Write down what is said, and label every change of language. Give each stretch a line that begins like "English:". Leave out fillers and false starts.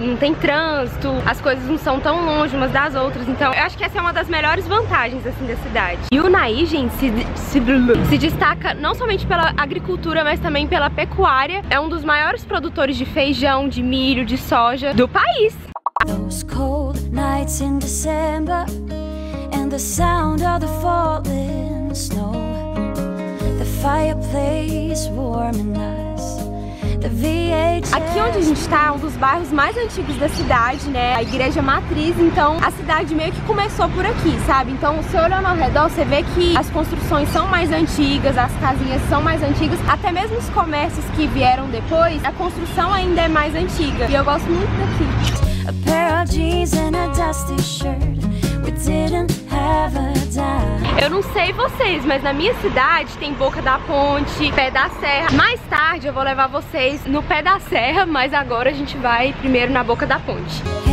Portuguese: Não tem trânsito, as coisas não são tão longe umas das outras. Então eu acho que essa é uma das melhores vantagens, assim, da cidade. E Unaí, gente, se destaca não somente pela agricultura, mas também pela pecuária. É um dos maiores produtores de feijão, de milho, de soja do país.
English: Those cold nights in December and the sound of the falling snow, the fireplace warming us.
Portuguese: Aqui onde a gente tá é um dos bairros mais antigos da cidade, né? A igreja matriz, então a cidade meio que começou por aqui, sabe? Então se olhando ao redor, você vê que as construções são mais antigas, as casinhas são mais antigas. Até mesmo os comércios que vieram depois, a construção ainda é mais antiga. E eu gosto muito daqui.
English: A pair of jeans and a dusty shirt. We didn't have a dime.
Portuguese: Eu não sei vocês, mas na minha cidade tem Boca da Ponte, Pé da Serra. Mais tarde eu vou levar vocês no Pé da Serra, mas agora a gente vai primeiro na Boca da Ponte.